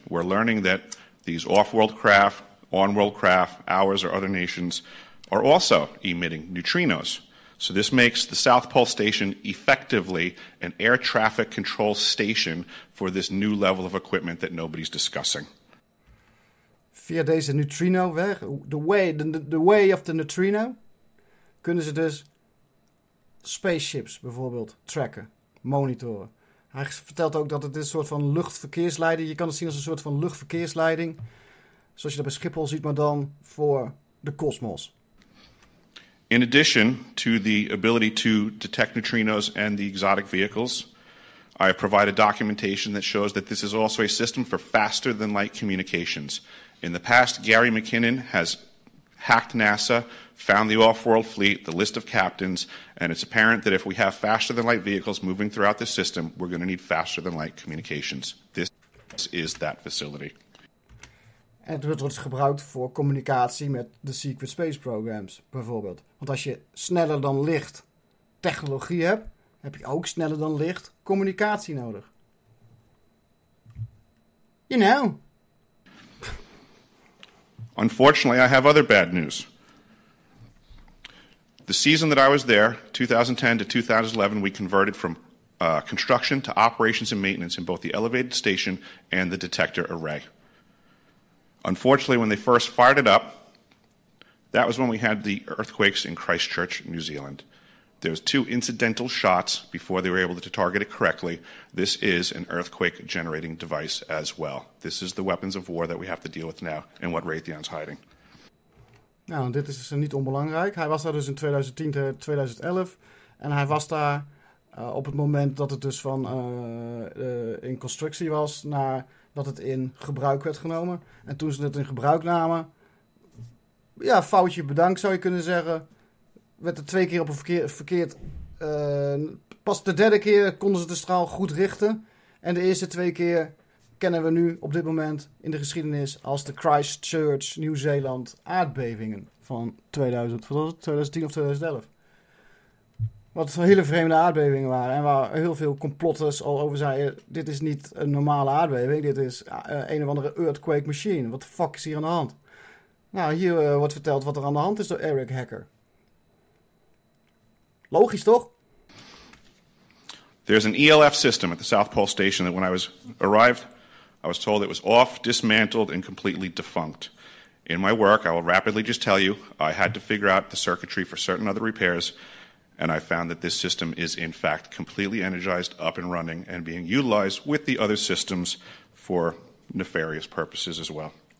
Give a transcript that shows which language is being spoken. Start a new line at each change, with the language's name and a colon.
English: We're learning that these off-world craft, on-world craft, ours or other nations, are also emitting neutrinos. So this makes the South Pole Station effectively an air traffic control station for this new level of equipment that nobody's discussing.
Dutch: Via deze neutrino weg,
English: the way of the neutrino,
Dutch: kunnen ze dus spaceships bijvoorbeeld tracken, monitoren. Hij vertelt ook dat het een soort van luchtverkeersleiding, je kan het zien als een soort van luchtverkeersleiding, zoals je dat bij Schiphol ziet, maar dan voor de kosmos.
English: In addition to the ability to detect neutrinos and the exotic vehicles, I have provided documentation that shows that this is also a system for faster than light communications. In the past, Gary McKinnon has hacked NASA, found the off-world fleet, the list of captains, and it's apparent that if we have faster-than-light vehicles moving throughout the system, we're going to need faster-than-light communications. This is that facility.
Dutch: En het wordt gebruikt voor communicatie met de secret space programs, bijvoorbeeld. Want als je sneller dan licht technologie hebt, heb je ook sneller dan licht communicatie nodig.
English: You know. Unfortunately, I have other bad news. The season that I was there, 2010 to 2011, we converted from construction to operations and maintenance in both the elevated station and the detector array. Unfortunately, when they first fired it up, that was when we had the earthquakes in Christchurch, New Zealand. There's two incidental shots before they were able to target it correctly. This is an earthquake-generating device as well. This is the weapons of war that we have to deal with now and what Raytheon's hiding.
Dutch: Nou, dit is niet onbelangrijk. Hij was daar dus in 2010 tot 2011. En hij was daar op het moment dat het dus van in constructie was, naar dat het in gebruik werd genomen. En toen ze het in gebruik namen, ja, foutje bedankt zou je kunnen zeggen. Werd er twee keer op een verkeerd. Pas de derde keer konden ze de straal goed richten. En de eerste twee keer kennen we nu op dit moment in de geschiedenis als de Christchurch, Nieuw-Zeeland aardbevingen van 2010 of 2011. Wat hele vreemde aardbevingen waren. En waar heel veel complotters al over zeiden, dit is niet een normale aardbeving. Dit is een of andere earthquake machine.
English: What the fuck
Dutch: is hier aan de hand? Nou, hier wordt verteld wat er aan de hand is door Eric Hacker. Logisch, toch?
English: There's an ELF system at the South Pole station that when I was arrived, I was told it was off, dismantled, and completely defunct. In my work, I will rapidly just tell you, I had to figure out the circuitry for certain other repairs, and I found that this system is, in fact, completely energized, up and running, and being utilized with the other systems for nefarious purposes as well.